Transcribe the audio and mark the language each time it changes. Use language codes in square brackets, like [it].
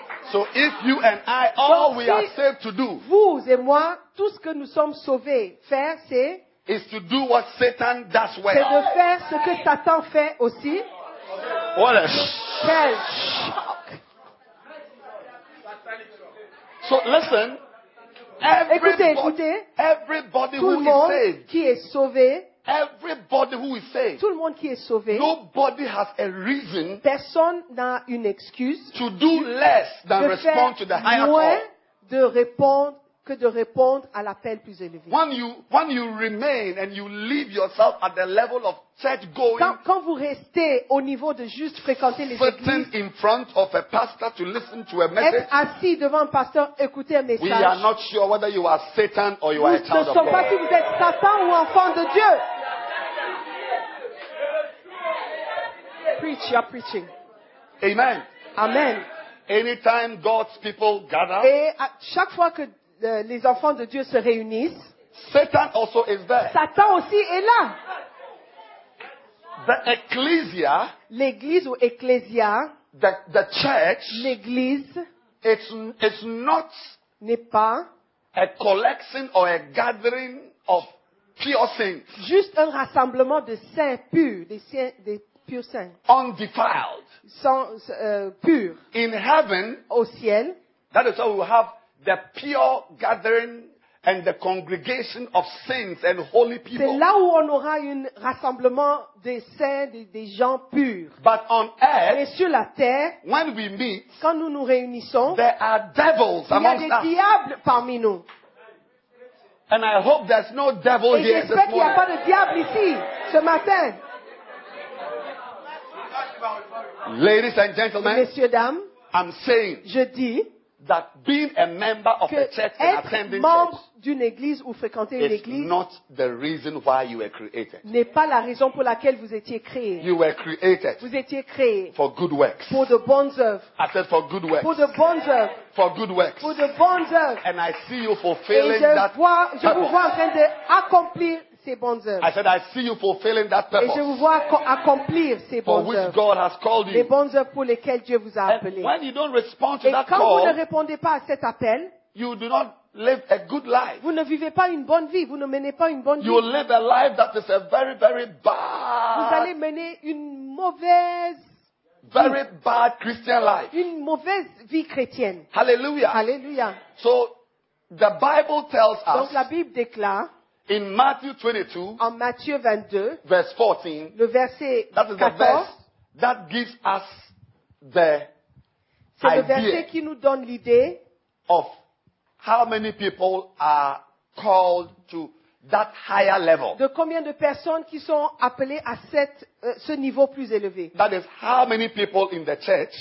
[en] So if you and I, all we are saved to do, [fr] vous et moi, tout ce que nous sommes sauvés faire, c'est [en] is to do what Satan does well. [fr] C'est de faire ce que Satan fait aussi. [en] What a shock! So listen, everybody, [fr] écoutez, [en] everybody [fr] tout [en] who [fr] le monde [en] is saved, [fr] qui est sauvé. [en] Everybody who is saved. [fr] Tout le monde qui est sauvé. [en] Nobody has a reason. [fr] Personne n'a une excuse. [en] To do less than [fr] de [en] respond [fr] faire [en] to the higher call. [fr] De répondre que de répondre à l'appel plus élevé. [en] When you remain and you leave yourself at the level of church going. [fr] Quand vous restez au niveau de juste fréquenter les églises. [en] Sitting in front of a pastor to listen to a message. [fr] Être assis devant un pasteur écouter un message. [en] We are not sure whether you are Satan or you are a child of God. [fr] Nous ne sommes pas si vous êtes Satan ou enfant de Dieu. [en] Preach, you are preaching. Amen. Amen. Anytime God's people gather. [fr] Et à chaque fois que les enfants de Dieu se réunissent. [en] Satan also is there. [fr] Satan aussi est là. [en] The ecclesia, [fr] l'église ou ecclesia, [en] the church, [fr] l'église, [en] it's not [fr] n'est pas [en] a collection or a gathering of pure saints. [fr] Juste un rassemblement de saints purs, des saints, des purs saints. [en] Undefiled. [fr] Sans pur. [en] In heaven, [fr] au ciel, [en] that is how we have the pure gathering and the congregation of saints and holy people. [fr] C'est là où on aura un rassemblement des saints, des gens purs. [en] But on earth, [fr] mais sur la terre, [en] when we meet, [fr] quand nous nous réunissons, [en] there are devils amongst us. [fr] Il y a des diables parmi nous. [en] And I hope there's no devil here this morning. [fr] Et j'espère qu'il y a pas de diable ici ce matin. [en] Ladies and gentlemen, [fr] messieurs dames, [en] I'm saying, [fr] je dis [en] that being a member of [fr] que [en] a church and attending [fr] membre [en] church [fr] d'une église ou fréquenter [en] is [fr] une église [en] not the reason why you were created. [fr] N'est pas la raison pour laquelle vous étiez créé. [en] You were created. [fr] Vous étiez créé [en] for good works. [fr] Pour de bonnes œuvres. [en] I said for good works. [fr] Pour de bonnes œuvres. [en] For good works. [fr] Pour de bonnes œuvres. [en] And I see you fulfilling [fr] et [en] that purpose. [fr] Je vous vois en train d'accomplir ces bonnes œuvres. [en] I said I see you fulfilling that purpose. [fr] Et je vous vois accomplir ces bonnes œuvres. [en] For which God has called you. [fr] Les bonnes œuvres pour lesquelles Dieu vous a appelé. [en] And when you don't respond to [fr] et [en] that [fr] quand [en] call, [fr] vous ne répondez pas à cet appel, [en] you do not live a good life. [fr] Vous ne vivez pas une bonne vie. Vous ne menez pas une bonne vie. [en] You live a life that is a very, very bad. [fr] Vous allez mener une mauvaise vie. [en] Very bad Christian life. [fr] Une mauvaise vie chrétienne. [en] Hallelujah. Hallelujah. So the Bible tells us. [fr] Donc la Bible déclare. [en] In Matthew 22, [fr] en Matthieu 22, [en] verse 14, [fr] le verset [en] that is [fr] 14, [en] the verse that gives us the [fr] c'est [en] idea [fr] le verset qui nous donne l'idée [en] of how many people are called to that higher level. [fr] De combien de personnes qui sont appelées à ce niveau plus élevé. [en] That is how many people in the church.